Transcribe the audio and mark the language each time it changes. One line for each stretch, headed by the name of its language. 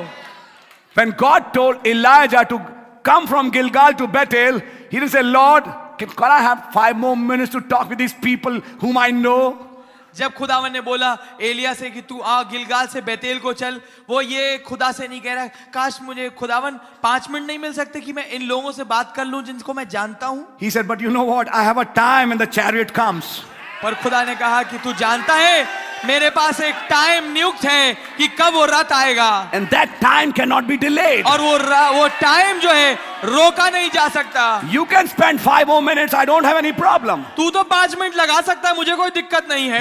English: When God told Elijah to come from Gilgal to Bethel, he did say Lord can I have 5 more minutes to talk with this people whom I know.
Hindi: जब खुदावन ने बोला एलिया से कि तू आ गिलगाल से बेतेल को चल, वो ये खुदा से नहीं कह रहा काश मुझे खुदावन 5 मिनट नहीं मिल सकते कि मैं इन लोगों से बात कर लूं जिनको मैं जानता हूं।
English: He said, but you know what? I have a time and the chariot comes.
Hindi: पर खुदा ने कहा कि तू जानता है मेरे पास एक टाइम नियुक्त है कि कब वो रात आएगा.
English: And that time can not be delayed.
Hindi: और वो टाइम जो है रोका नहीं जा सकता.
English: You can spend 5 more minutes, I don't have any problem.
Hindi: तू तो 5 मिनट लगा सकता है, मुझे कोई दिक्कत नहीं है.